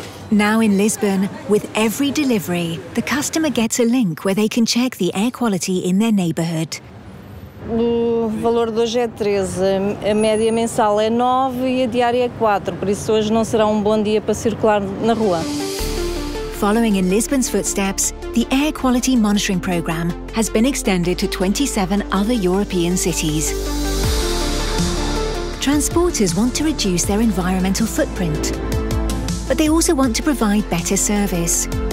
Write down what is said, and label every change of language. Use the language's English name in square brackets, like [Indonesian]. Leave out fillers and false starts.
[English] Now in Lisbon, with every delivery, the customer gets a link where they can check the air quality in their neighborhood. [Portuguese] O valor de hoje é 13, a média mensal é 9 e a diária é 4, por isso hoje não será um bom dia para circular na rua. [English] Following in Lisbon's footsteps, the Air Quality Monitoring Program has been extended to 27 other European cities. Transporters want to reduce their environmental footprint, but they also want to provide better service.